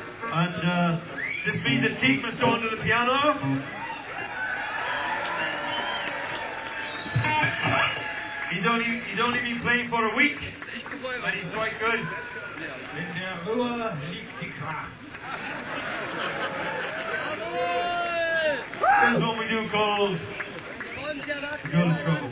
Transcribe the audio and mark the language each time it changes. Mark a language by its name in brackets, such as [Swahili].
[English] And this means that Keith must go under the piano. He's only been playing for a week, but he's quite good. [German] In der Ruhe liegt die Kraft. [English] This is what we do called Girl Trouble.